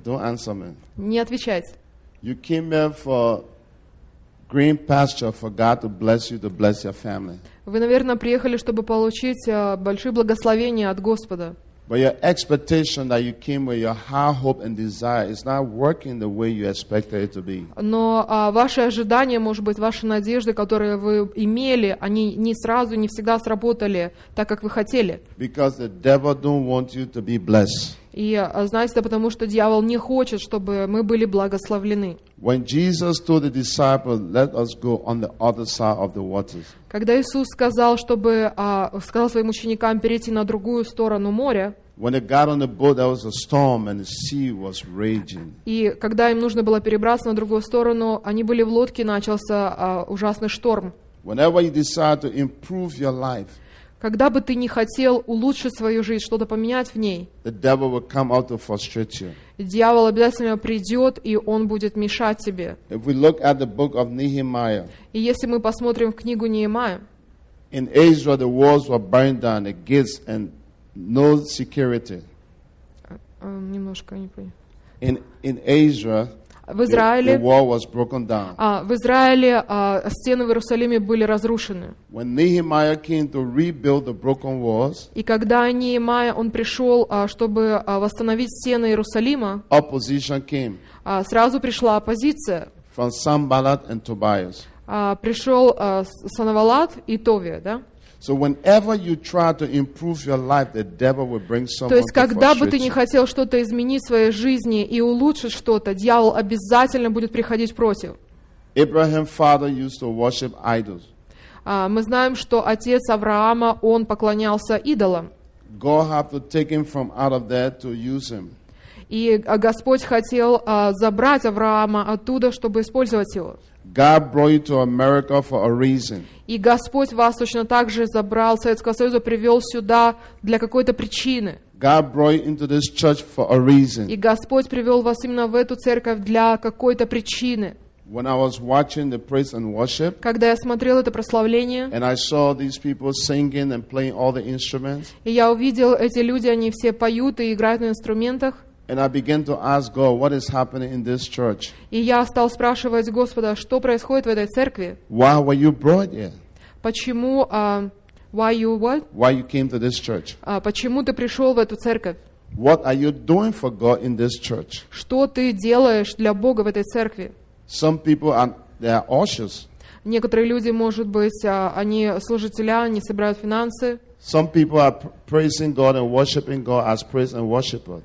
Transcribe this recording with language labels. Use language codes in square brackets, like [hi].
[en] Don't answer me. [ru] Не отвечайте. [en] You came here for green pasture for God to bless you, to bless your family. [ru] Вы, наверное, приехали, чтобы получить большие благословения от Господа. [en] But your expectation that you came with your high hope and desire is not working the way you expected it to be. [ru] Но ваши ожидания, может быть, ваши надежды, которые вы имели, они не сразу, не всегда сработали так, как вы хотели. [en] Because the devil don't want you to be blessed. [ru] И знаете, это потому, что дьявол не хочет, чтобы мы были благословлены. [en] When Jesus told the disciples, "Let us go on the other side of the waters." [ru] Когда Иисус сказал, чтобы сказал своим ученикам перейти на другую сторону моря. [en] When they got on the boat, there was a storm and the sea was raging. [ru] И когда им нужно было перебраться на другую сторону, они были в лодке, начался ужасный шторм. [en] Whenever you decide to improve your life. [ru] Когда бы ты не хотел улучшить свою жизнь, что-то поменять в ней, [en] the devil will come out to frustrate you. [ru] Дьявол обязательно придет, и он будет мешать тебе. [en] If we look at the book of Nehemiah, [ru] и если мы посмотрим в книгу Неемия, [en] in Israel the walls were burned down, the gates and no security. [ru] Немножко не понял. [en] In Asia, [ru] в Израиле, [en] the wall was broken down. [ru] В Израиле стены в Иерусалиме были разрушены. [en] When Nehemiah came to rebuild the broken walls, [ru] и когда Неемия, он пришел, чтобы восстановить стены Иерусалима, [en] opposition came. [ru] Сразу пришла оппозиция. [en] From Sanballat and Tobias. [ru] Пришел Санавалат и Товия, да? [en] So whenever you try to improve your life, the devil will bring someone to frustrate you. [ru] То есть, когда бы ты не хотел что-то изменить в своей жизни и улучшить что-то, дьявол обязательно будет приходить против. [en] Abraham's father used to worship idols. [ru] Мы знаем, что отец Авраама, он поклонялся идолам. [en] God had to take him from out of there to use him. [ru] И Господь хотел забрать Авраама оттуда, чтобы использовать его. [en] God brought you to America for a reason. [ru] И Господь вас точно так же забрал из Советского Союза, привел сюда для какой-то причины. [en] God brought you into this church for a reason. [ru] И Господь привел вас именно в эту церковь для какой-то причины. [en] When I was watching the praise and worship, [ru] когда я смотрел это прославление, [en] and I saw these people singing and playing all the instruments, [ru] и я увидел эти люди, они все поют и играют на инструментах. [en] And I began to ask God, what is happening in this church? [ru] И я стал спрашивать Господа, что происходит в этой церкви? [en] Why were you brought here? [ru] Почему, [en] why you what? Why you came to this church? [ru] Почему ты пришел в эту церковь? [en] What are you doing for God in this church? [ru] Что ты делаешь для Бога в этой церкви? [en] Some people they are ushers. [ru] Некоторые люди, может быть, они служители, они собирают финансы. [en] Some people are praising God and worshiping God as praise and worshiper.